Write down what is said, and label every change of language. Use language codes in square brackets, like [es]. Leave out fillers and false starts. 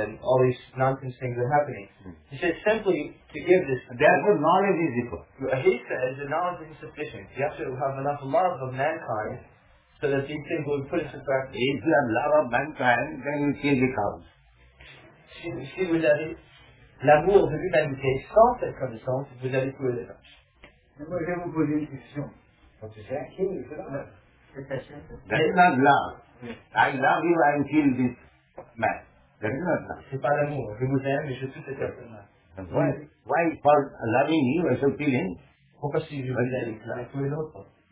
[en] All these things are known, the knowledge of the land and all these nonsense things are happening. He says simply to give this, therefore knowledge is equal. He says the knowledge is insufficient. You have to have enough love of mankind so that these things will put into practice. If you have love of mankind, then you kill the cows. [fr] Si vous avez l'amour de l'humanité sans cette connaissance, vous allez tuer les vaches. Moi, je vais vous poser une question. [en] That is not love. I love you and kill this man. That is not love. [fr] C'est pas l'amour. Je vous aime et je tue cette personne. [en] Why for loving you I shall kill him? [fr] Pourquoi si je vous aime, je tue l'autre?